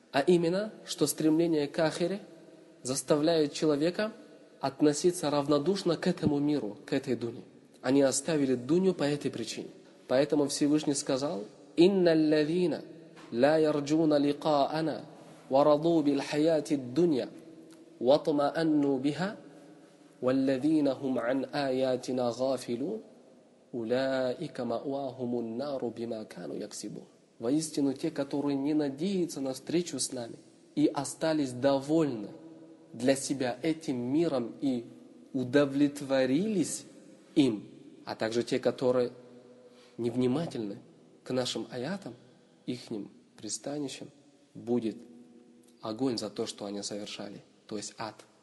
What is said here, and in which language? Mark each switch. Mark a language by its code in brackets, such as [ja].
[ru] А именно, что стремление к ахире заставляет человека относиться равнодушно к этому миру, к этой дуне. Они оставили дуню по этой причине. Поэтому Всевышний сказал: [ar] «Инна ллавина ла ярджуна ликаана». ورضوا بالحياة الدنيا وطمأنوا بها والذين هم عن آياتنا غافلون أولئك مأواهم النار بما كانوا يكسبون. [ru] Воистину те, которые не надеются на встречу с нами и остались довольны для себя этим миром и удовлетворились им, а также те, которые невнимательны к нашим аятам, ихним пристанищем будет огонь за то, что они совершали, то есть ад.